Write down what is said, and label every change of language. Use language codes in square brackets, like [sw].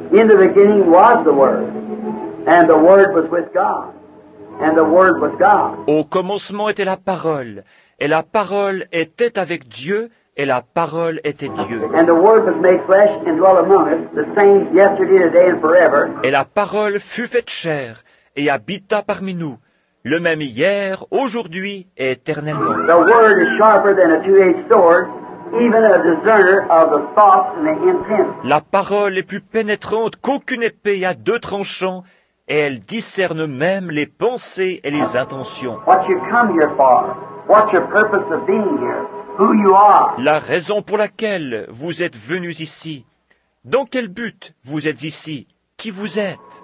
[en] In the beginning was the Word, and the Word was with God. And the Word was God. [fr] Au commencement était la parole, et la parole était avec Dieu, et la parole était Dieu. [en] And the Word was made flesh and dwelt among us, the same yesterday, today, and forever. [fr] Et la parole fut faite chair et habita parmi nous, le même hier, aujourd'hui et éternellement. [en] The Word is sharper than a two-edged sword, even a discerner of the thoughts and the intents. [fr] La parole est plus pénétrante qu'aucune épée à deux tranchants. Et elle discerne même les pensées et les intentions. La raison pour laquelle vous êtes venus ici. Dans quel but vous êtes ici? Qui vous êtes?